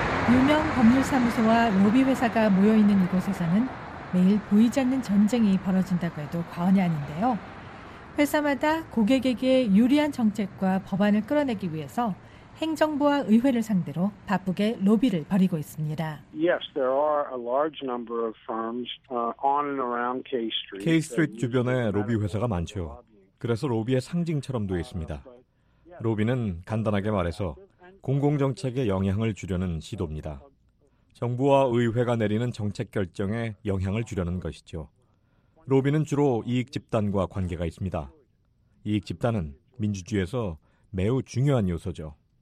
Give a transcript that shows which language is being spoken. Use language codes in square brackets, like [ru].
[ko] 유명 법률사무소와 로비회사가 모여있는 이곳에서는 매일 보이지 않는 전쟁이 벌어진다고 해도 과언이 아닌데요. 회사마다 고객에게 유리한 정책과 법안을 끌어내기 위해서 행정부와 의회를 상대로 바쁘게 로비를 벌이고 있습니다. [en] Yes, there are a large number of firms on and around K Street. [ko] K Street 주변에 로비 회사가 많죠. 그래서 로비의 상징처럼 되어 있습니다. 로비는 간단하게 말해서 공공정책에 영향을 주려는 시도입니다. 정부와 의회가 내리는 정책 결정에 영향을 주려는 것이죠. 로비는 주로 이익 집단과 관계가 있습니다. 이익 집단은 민주주의에서 매우 중요한 요소죠.